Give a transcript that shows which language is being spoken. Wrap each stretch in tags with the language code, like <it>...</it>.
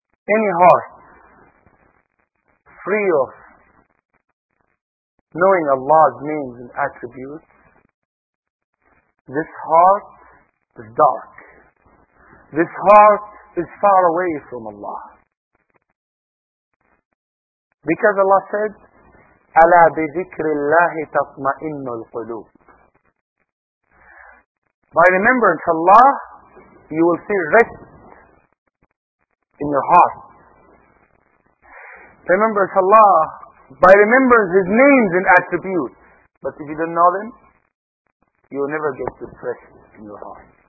<en>Any heart free of knowing Allah's names and attributes, this heart is dark. This heart is far away from Allah. Because Allah said,</en> <ar>أَلَا بِذِكْرِ اللَّهِ تَطْمَئِنُّ الْقُلُوبِ.</ar> <en>By remembrance of Allah, you will feel rest in your heart. Remembers Allah by remembering His names and attributes. But if you don't know them, you will never get depressed in your heart.</en>